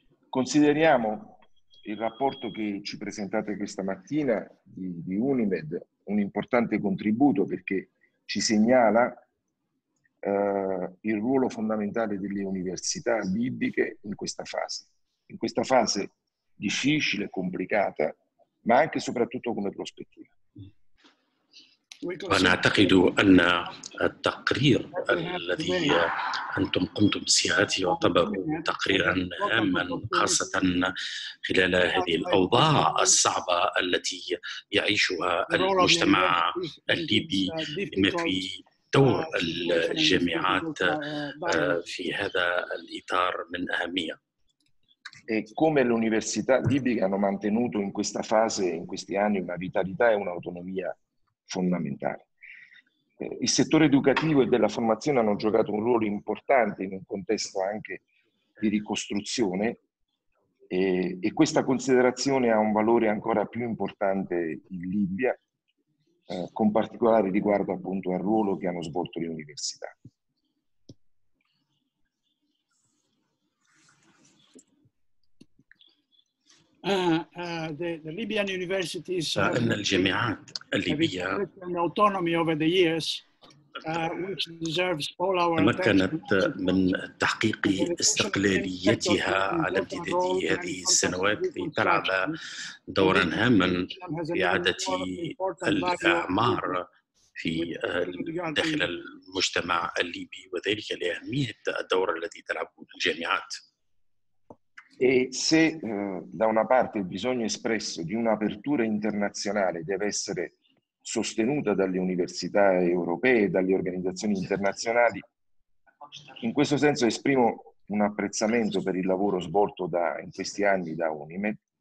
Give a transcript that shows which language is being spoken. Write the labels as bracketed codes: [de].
[it] Consideriamo il rapporto che ci presentate questa mattina di UNIMED un importante contributo perché ci segnala il ruolo fondamentale delle università libiche in questa fase. In questa fase difficile, complicata, ma anche e soprattutto come prospettiva. [ar] ونعتقد أن التقرير الذي أنتم قمتم بصياغته يعتبر تقريرا هاما خاصة خلال هذه الأوضاع الصعبة التي يعيشها المجتمع الليبي بما في دور الجامعات في هذا الإطار من أهمية. [it] E come le università libiche hanno mantenuto in questa fase, in questi anni, una vitalità e un'autonomia fondamentale. Il settore educativo e della formazione hanno giocato un ruolo importante in un contesto anche di ricostruzione e questa considerazione ha un valore ancora più importante in Libia, con particolare riguardo appunto al ruolo che hanno svolto le università. [en] The Libyan universities have autonomy over the years, which deserves all our attention. [ar] في داخل المجتمع الليبي وذلك لأهمية الدور الذي تلعبه الجامعات. [it] E se da una parte il bisogno espresso di un'apertura internazionale deve essere sostenuta dalle università europee e dalle organizzazioni internazionali, in questo senso esprimo un apprezzamento per il lavoro svolto da in questi anni da UNIMED.